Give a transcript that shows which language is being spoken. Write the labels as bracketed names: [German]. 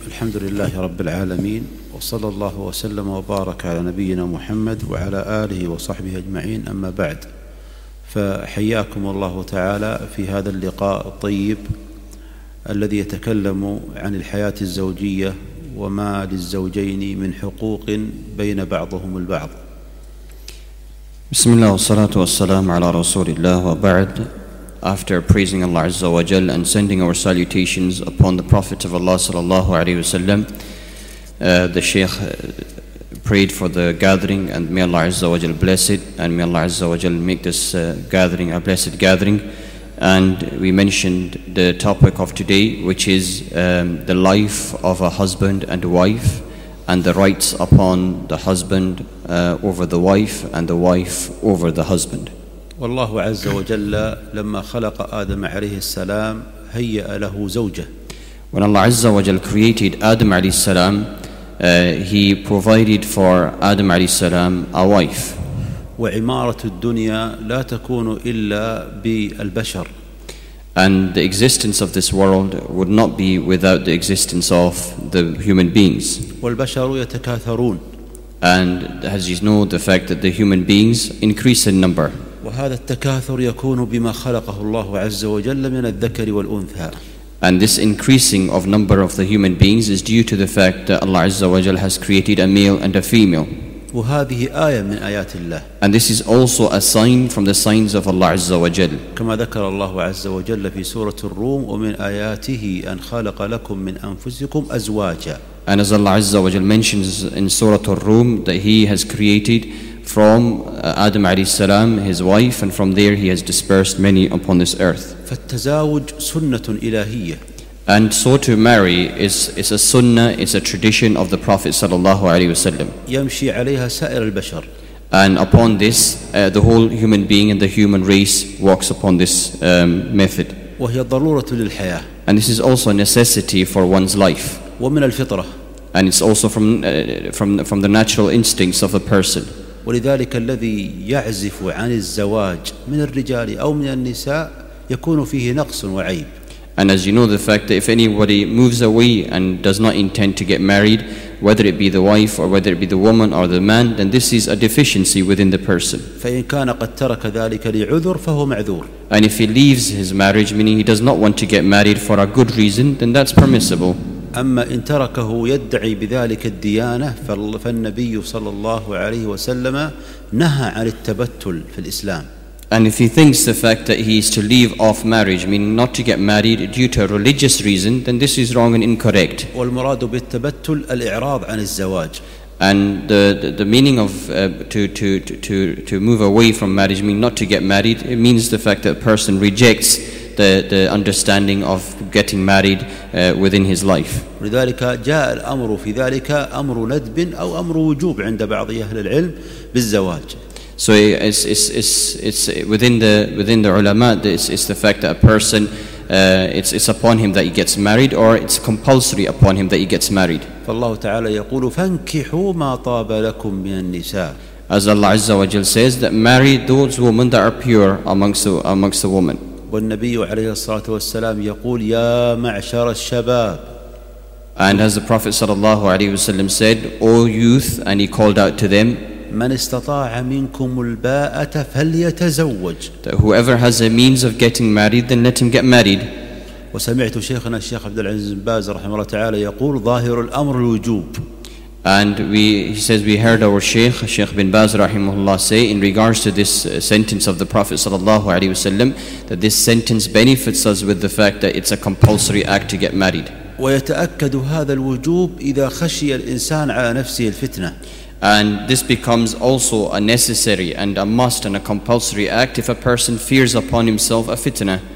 [Arabic] الحمد لله رب العالمين، وصلى الله وسلم وبارك على نبينا محمد وعلى آله وصحبه أجمعين، أما بعد، فحياكم الله تعالى في هذا اللقاء الطيب الذي يتكلم عن الحياة الزوجية وما للزوجين من حقوق بين بعضهم البعض. بسم الله والصلاة والسلام على رسول الله، وبعد، [English] after praising Allah Azza wa Jal and sending our salutations upon the Prophet of Allah Sallallahu Alaihi Wasallam, the Shaykh prayed for the gathering, and may Allah Azza wa Jal bless it, and may Allah Azza wa Jal make this gathering a blessed gathering. And we mentioned the topic of today, which is the life of a husband and a wife, and the rights upon the husband over the wife, and the wife over the husband. [Arabic] والله عز وجل لما خلق آدم عليه السلام هيأ له زوجة. [English] When Allah عز وجل created Adam عليه السلام, He provided for Adam عليه السلام a wife. [Arabic] وعمارة الدنيا لا تكون إلا بالبشر. [English] And the existence of this world would not be without the existence of the human beings. [Arabic] والبشر يتكاثرون. [English] And as you know, the fact that the human beings increase in number. [Arabic] وهذا التكاثر يكون بما خلقه الله عز وجل من الذكر والأنثى. [English] And this increasing of number of the human beings is due to the fact that Allah عز وجل has created a male and a female. [Arabic] وهذه آية من آيات الله. [English] And this is also a sign from the signs of Allah عز وجل. [Arabic] كما ذكر الله عز وجل في سورة الروم، ومن آياته أن خلق لكم من أنفسكم أزواجا. [English] And as Allah عز وجل mentions in Surah Al-Rum that He has created from Adam عليه السلام his wife, and from there He has dispersed many upon this earth. [Arabic] فالتزاوج سنة إلهية. [English] And so to marry is a sunnah, is a tradition of the Prophet صلى الله عليه وسلم. [Arabic] يمشي عليها سائر البشر. [English] And upon this, the whole human being and the human race walks upon this method. [Arabic] وهي ضرورة للحياة. [English] And this is also a necessity for one's life. [Arabic] ومن الفطرة. [English] And it's also from the natural instincts of a person. [Arabic] ولذلك الذي يعزف عن الزواج من الرجال أو من النساء يكون فيه نقص وعيب. [English] And as you know, the fact that if anybody moves away and does not intend to get married, whether it be the wife or whether it be the woman or the man, then this is a deficiency within the person. [Arabic] فإن كان قد ترك ذلك لعذر فهو معذور. [English] And if he leaves his marriage, meaning he does not want to get married for a good reason, then that's permissible. [Arabic] أما إن تركه يدعي بذلك الديانة فالنبي صلى الله عليه وسلم نهى عن التبتل في الإسلام. [English] And if he thinks the fact that he is to leave off marriage, meaning not to get married due to a religious reason, then this is wrong and incorrect. [Arabic] والمراد بالتبتل الإعراض عن الزواج. [English] And the meaning of to move away from marriage, meaning not to get married, it means the fact that a person rejects the understanding of getting married within his life. [Arabic] لذلك جاء الأمر في ذلك أمر ندب أو أمر وجوب عند بعض أهل العلم بالزواج. [English] So it's within the ulama, it's the fact that a person it's upon him that he gets married, or it's compulsory upon him that he gets married. [Arabic] فالله تعالى يقول فانكحوا ما طاب لكم من النساء. [English] As Allah عز وجل says that marry those women that are pure amongst the women. [Arabic] والنبي عليه الصلاة والسلام يقول يا معشر الشباب. [English] And as the Prophet صلى الله عليه وسلم said, O youth, and he called out to them, [Arabic] من استطاع منكم الباءة فليتزوج. [English] That whoever has a means of getting married, then let him get married. [Arabic] وسمعت شيخنا الشيخ عبد العزيز بن باز رحمه الله تعالى يقول ظاهر الأمر الوجوب. [English] And he says we heard our Shaykh, Shaykh bin Baz rahimahullah, say in regards to this sentence of the Prophet sallallahu alaihi wasallam, that this sentence benefits us with the fact that it's a compulsory act to get married. [Arabic] ويتأكد هذا الوجوب إذا خشي الإنسان على نفسه الفتنة. [English] And this becomes also a necessary and a must and a compulsory act if a person fears upon himself a fitna.